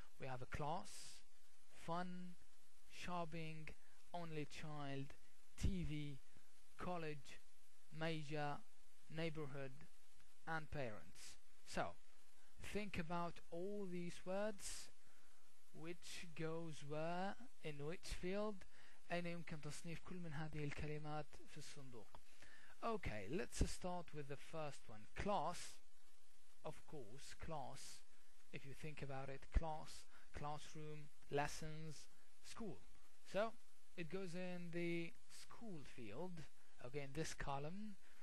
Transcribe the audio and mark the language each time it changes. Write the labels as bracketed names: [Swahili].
[English] We have a class, fun, shopping, only child, TV, college, major, neighborhood, and parents. So think about all these words, which goes where, in which field. [Arabic] أين يمكن تصنيف كل من هذه الكلمات في الصندوق. [English] Okay, let's start with the first one. Class, of course, class, if you think about it, class, classroom, lessons, school. So, it goes in the school field, okay, in this column.